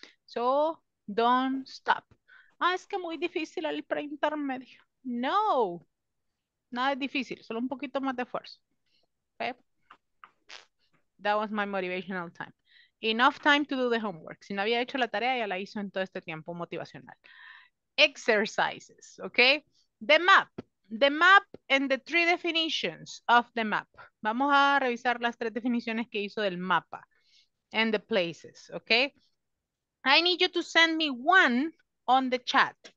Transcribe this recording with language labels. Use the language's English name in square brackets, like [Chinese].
[English] So, don't stop. [Spanish] Es que muy difícil el 30 medio. No, nada es difícil, solo un poquito más de esfuerzo. Okay. [English] That was my motivational time. Enough time to do the homework. [Spanish] Si no había hecho la tarea, ya la hizo en todo este tiempo motivacional. [English] Exercises, okay? The map. The map and the three definitions of the map. [Spanish] Vamos a revisar las tres definiciones que hizo del mapa. [English] And the places, okay? I need you to send me one on the chat.